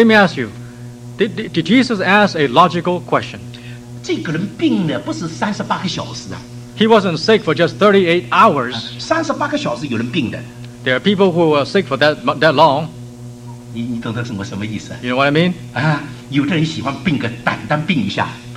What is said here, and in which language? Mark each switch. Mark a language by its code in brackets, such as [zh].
[en] Let me ask you, did Jesus ask a logical question? [zh] 这个人病了不是38个小时啊。 [en] He wasn't sick for just 38 hours. [zh] 38个小时有人病的。 [en] There are people who are sick for that long. [zh] 你懂得什么意思? [en] You know what I mean? [zh] 有的人喜欢病个，单单病一下。